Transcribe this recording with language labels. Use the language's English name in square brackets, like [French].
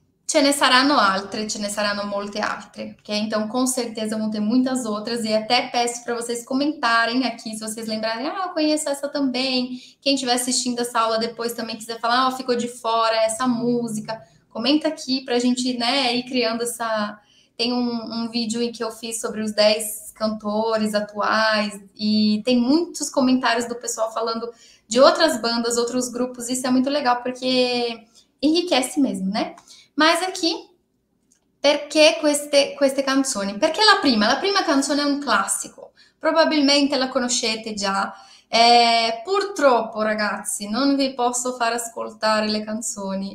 [Italian] Ce ne saranno altre, ce ne saranno molte altre, ok? [Portuguese] Então, com certeza vão ter muitas outras e até peço para vocês comentarem aqui, se vocês lembrarem, ah, eu conheço essa também. Quem estiver assistindo essa aula depois também quiser falar, ah, ficou de fora essa música, comenta aqui para a gente, né, ir criando essa. Tem um vídeo em que eu fiz sobre os 10 cantores atuais e tem muitos comentários do pessoal falando de outras bandas, outros grupos. Isso é muito legal porque enriquece mesmo, né? Mas aqui, [Italian] perché queste canzoni? Perché la prima? La prima canzone è un classico. Probabilmente la conoscete già. Purtroppo, ragazzi, non vi posso far ascoltare le canzoni.